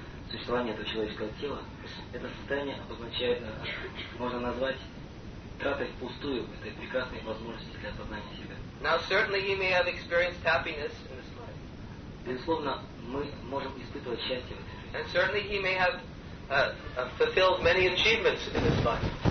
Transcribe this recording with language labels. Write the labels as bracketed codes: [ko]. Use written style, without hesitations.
[ru] существование этого человеческого тела, это состояние обозначает, можно назвать тратой впустую этой прекрасной возможности для познания себя. [en] Now certainly you may have experienced happiness in this life. [ru] Безусловно, мы можем испытывать счастье в этой жизни. [en] And certainly he may have fulfilled many achievements in this life.